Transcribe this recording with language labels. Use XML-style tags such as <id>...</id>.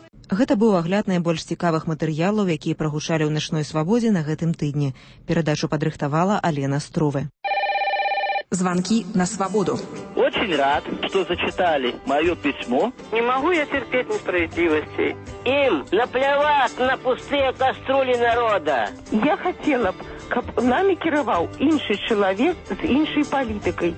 <be>Гэта быў агляд найбольш цікавых матэрыялаў, якія прагучалі ў начной свабодзе на гэтым тыдні. Перадачу падрыхтавала Алена Струве. Званкі на свабоду.</be> <ru>Очень рад, что зачитали мое письмо. Не могу я терпеть несправедливости. Им наплевать на пустые кастрюли народа.</ru> <be>Я хотела бы, каб нами кіраваў іншы чалавек з іншай палітыкай.</be>